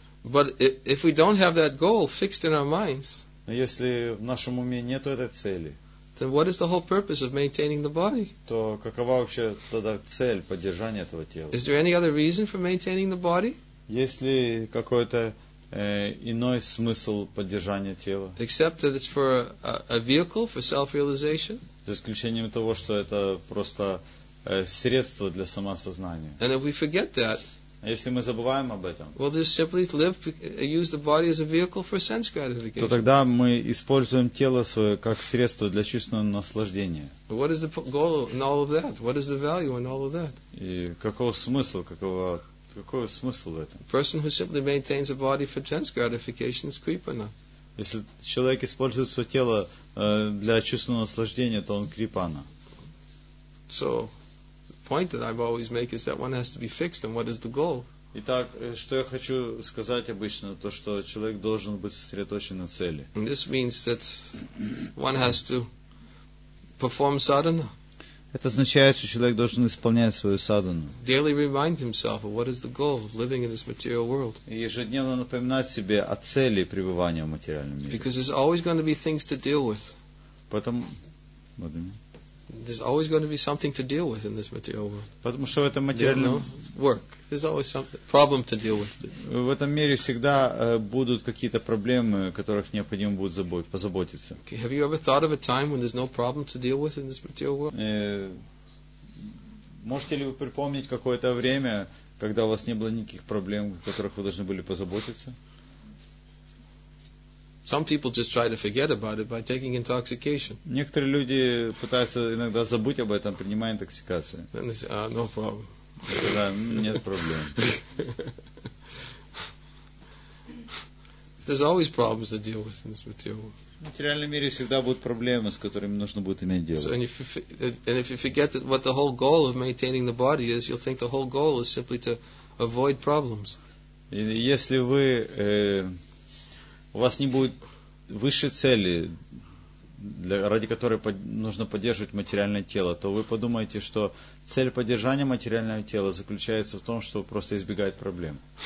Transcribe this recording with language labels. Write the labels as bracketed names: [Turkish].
[English] But if we don't have that goal fixed in our minds, [Russian] но если в нашем уме нет этой цели, [English] then what is the whole purpose of maintaining the body? [Russian] То какова вообще тогда цель поддержания этого тела? [English] Is there any other reason for maintaining the body? [Russian] Есть ли какой-то иной смысл поддержания тела? [English] Except that it's for a vehicle for self-realization. [Russian] За исключением того, что это просто средство для самосознания. [English] And if we forget that, [Russian] если мы забываем об этом, [English] well, just simply live, use the body as a vehicle for sense gratification. [Russian] То тогда мы используем тело свое как средство для чувственного наслаждения. [English] What is the goal in all of that? What is the value in all of that? [Russian] И какой смысл в этом? [English] A person who simply maintains a body for sense gratification is kripana. [Russian] Если человек использует свое тело для чувственного наслаждения, то он крипана. [English] So, the point that I've always make is that one has to be fixed, and what is the goal? [Russian] Итак, что я хочу сказать обычно, то что человек должен быть сосредоточен на цели. [English] And this means that one has to perform sadhana. [Russian] Это означает, что человек должен исполнять свою садхану. [English] Daily remind himself of what is the goal of living in this material world. [Russian] И ежедневно напоминать себе о цели пребывания в материальном мире. [English] Because there's always going to be things to deal with. There's always going to be something to deal with in this material world. [Russian] Потому что в этом материальном [English] work. There's always something problem to deal with. [Russian] В этом мире всегда будут какие-то проблемы, о которых необходимо будет позаботиться. [English] Okay. Have you ever thought of a time when there's no problem to deal with in this material world? [Russian] Можете ли вы припомнить какое-то время, когда у вас не было никаких проблем, о которых вы должны были позаботиться? [English] Some people just try to forget about it by taking intoxication. [Russian] Некоторые люди пытаются иногда забыть об этом, принимая интоксикацию. [English] Then they say, ah, no problem. [Russian] Да, нет проблем. [English] There's always problems to deal with in this material world. [Russian] В материальном мире всегда будут проблемы, с которыми нужно будет иметь дело. [English] So, and if you forget that what the whole goal of maintaining the body is, you'll think the whole goal is simply to avoid problems. [Russian] Если вы у вас не будет высшей цели, ради которой нужно поддерживать материальное тело, то вы подумаете, что цель поддержания материального тела заключается в том, чтобы просто избегать проблем.